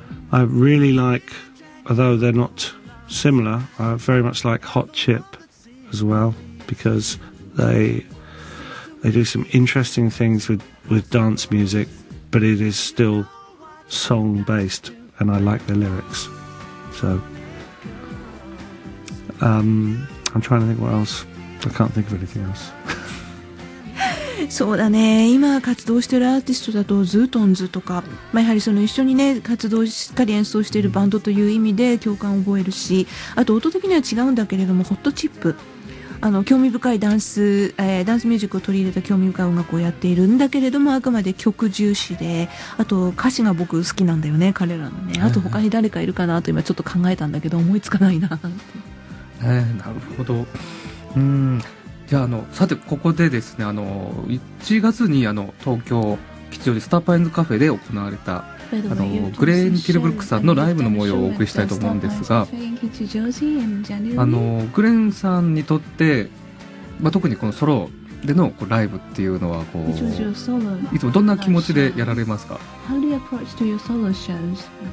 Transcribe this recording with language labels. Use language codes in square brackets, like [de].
[en] I really like, although they're not similar, I very much like Hot Chip as well, because they do some interesting things with dance music, but it is still song based, and I like the lyrics. So, I'm trying to think what else. I can't think of anything else. [ja] そうだね、今活動してるアーティストだとズートンズとか、まあ、やはりその一緒にね活動しっかり演奏しているバンドという意味で共感を覚えるし、あと音的には違うんだけれども、ホットチップ、あの興味深いダンスミュージックを取り入れた興味深い音楽をやっているんだけれども、あくまで曲重視で、あと歌詞が僕好きなんだよね、彼らのね。あと他に誰かいるかなと今ちょっと考えたんだけど思いつかないな。なるほど。じゃあさてここでですね、1月に東京吉祥寺スターパインズカフェで行われたグレーン・ティルブルクさんのライブの模様をお送りしたいと思うんですが、グレーンさんにとって、まあ、特にこのソロでのこうライブっていうのはこういつもどんな気持ちでやられますか？ [en] How do you approach to your solo shows?